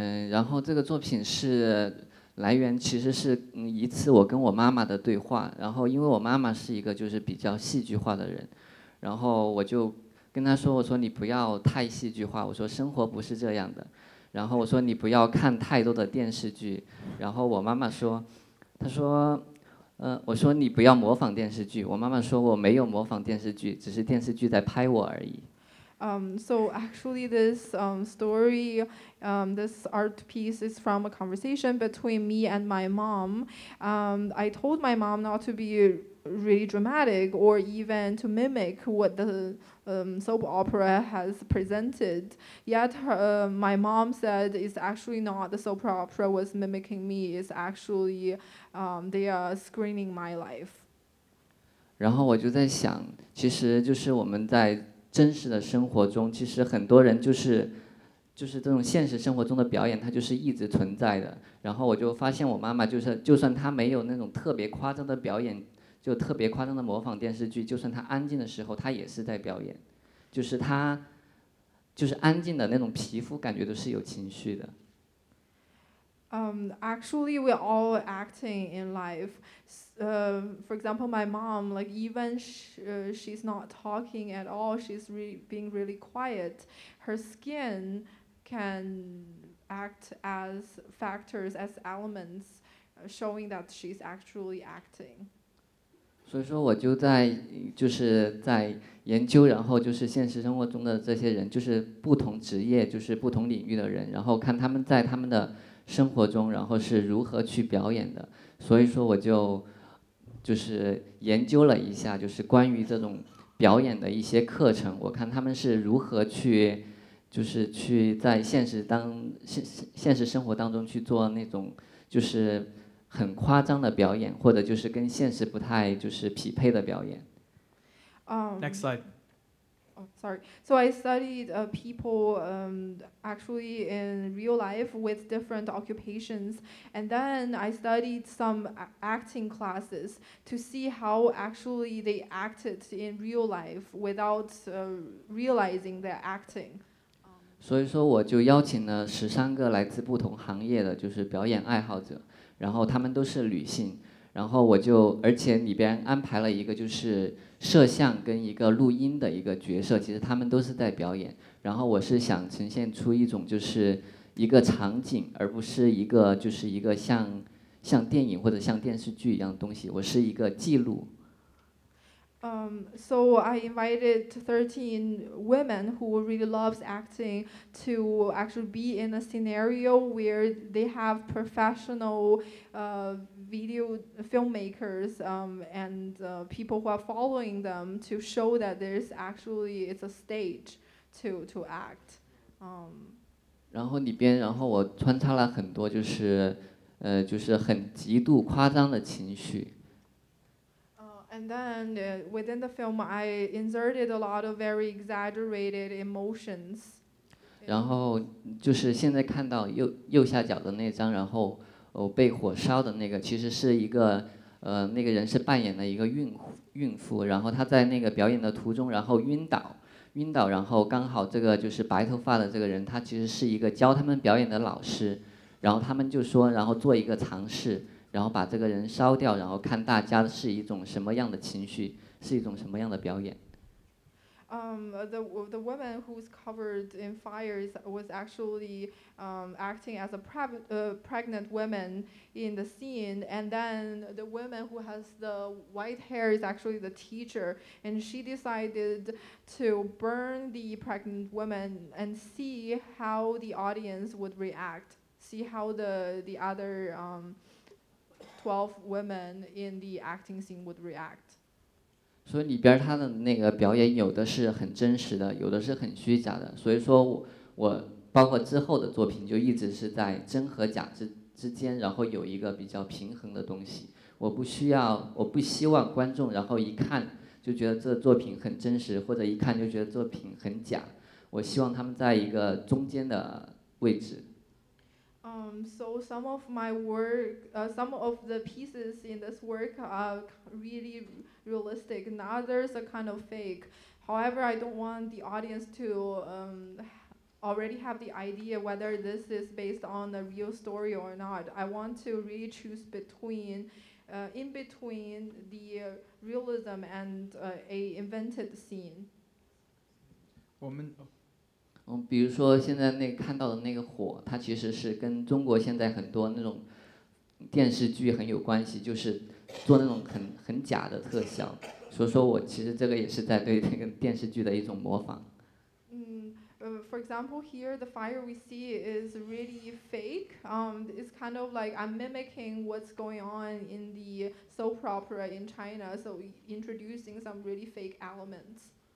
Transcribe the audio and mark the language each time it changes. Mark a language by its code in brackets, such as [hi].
[zh] 然后这个作品是来源其实是一次我跟我妈妈的对话，然后因为我妈妈是一个就是比较戏剧化的人，然后我就跟她说，我说你不要太戏剧化，我说生活不是这样的，然后我说你不要看太多的电视剧，然后我妈妈说，她说我说你不要模仿电视剧。我妈妈说我没有模仿电视剧，只是电视剧在拍我而已。 [en] So actually this story, this art piece is from a conversation between me and my mom. I told my mom not to be really dramatic or even to mimic what the soap opera has presented. Yet her, my mom said it's actually not the soap opera was mimicking me, it's actually they are screening my life. [zh] 然后我就在想，其实就是我们在真实的生活中，其实很多人就是这种现实生活中的表演，它就是一直存在的。然后我就发现我妈妈就算她没有那种特别夸张的表演，就特别夸张的模仿电视剧，就算她安静的时候她也是在表演，就是她就是安静的那种皮肤感觉都是有情绪的。 [en] Actually, we're all acting in life. For example, my mom, like even she's not talking at all, she's being really quiet. Her skin can act as factors, as elements, showing that she's actually acting. [zh] 所以说我就是在研究，然后就是现实生活中的这些人，就是不同职业，就是不同领域的人，然后看他们在他们的生活中然后是如何去表演的。所以说我就是研究了一下，就是关于这种表演的一些课程，我看他们是如何去就是去在现实生活当中去做那种就是很夸张的表演，或者就是跟现实不太就是匹配的表演。 [en] Next slide. Sorry. So I studied people actually in real life with different occupations. And then I studied some acting classes to see how actually they acted in real life without realizing they're acting. [zh] 所以说我就邀请了13个来自不同行业的就是表演爱好者，然后他们都是女性，然后我就而且里边安排了一个就是摄像跟一个录音的一个角色，其实他们都是在表演。然后我是想呈现出一种就是一个场景，而不是一个就是一个像电影或者像电视剧一样的东西，我是一个记录。 [en] So I invited 13 women who really loves acting to actually be in a scenario where they have professional video filmmakers and people who are following them to show that there's actually it's a stage to act. [zh] 然后里边，然后我穿插了很多就是很极度夸张的情绪。 [en] And then within the film, I inserted a lot of very exaggerated emotions. [zh] 然后就是现在看到右下角的那张，然后被火烧的那个，其实是一个那个人是扮演了一个孕妇，然后他在那个表演的途中，然后晕倒，然后刚好这个就是白头发的这个人，他其实是一个教他们表演的老师，然后他们就说，然后做一个尝试。然后把这个人烧掉，然后看大家是一种什么样的情绪，是一种什么样的表演。 [en] The woman who's covered in fires was actually acting as a pregnant woman in the scene, and then the woman who has the white hair is actually the teacher, and she decided to burn the pregnant woman and see how the audience would react, see how the other 12 women in the acting scene would react. [zh] 所以里边他的那个表演有的是很真实的，有的是很虚假的。所以说我包括之后的作品就一直是在真和假之间，然后有一个比较平衡的东西。我不希望观众然后一看就觉得这作品很真实，或者一看就觉得作品很假。我希望他们在一个中间的位置。 [en] So some of my work, some of the pieces in this work are really realistic, and others are kind of fake. However, I don't want the audience to already have the idea whether this is based on a real story or not. I want to really choose in between the realism and a invented scene. [zh] 比如说现在那看到的那个火，它其实是跟中国现在很多那种电视剧很有关系，就是做那种很假的特效，所以说我其实这个也是在对那个电视剧的一种模仿。 [en] For example, here the fire we see is really fake. It's kind of like I'm mimicking what's going on in the soap opera in China, so introducing some really fake elements.